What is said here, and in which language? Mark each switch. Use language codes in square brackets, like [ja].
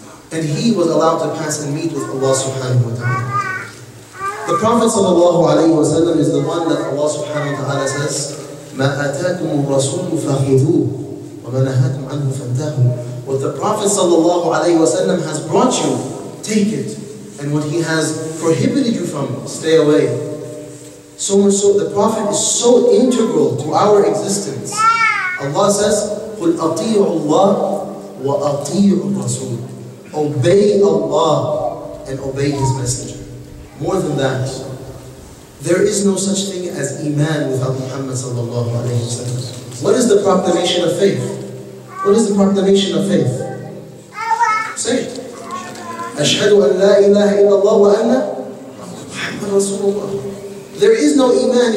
[en] And he was allowed to pass and meet with Allah subhanahu wa ta'ala. The Prophet sallallahu alayhi wa sallam is the one that Allah subhanahu wa ta'ala says, [ar] مَا أَتَاكُمُ الرَّسُولُ فَخُذُوهُ وَمَا نَهَاكُمْ عَنْهُ فَانْتَهُوا. [en] What the Prophet sallallahu alayhi wa sallam has brought you, take it. And what he has prohibited you from, stay away. So much so, the Prophet is so integral to our existence. Allah says, [ar] قُلْ أَطِيعُ اللَّهُ وَأَطِيعُ الرَّسُولُ. [en] Obey Allah and obey His Messenger. More than that, there is no such thing as Iman without Muhammad sallallahu alayhi wa sallam. What is the proclamation of faith? What is the proclamation of faith? Say it. [ar] Ashhadu an la ilaha illallah wa anna Muhammad Rasulullah. [en] There is no Iman.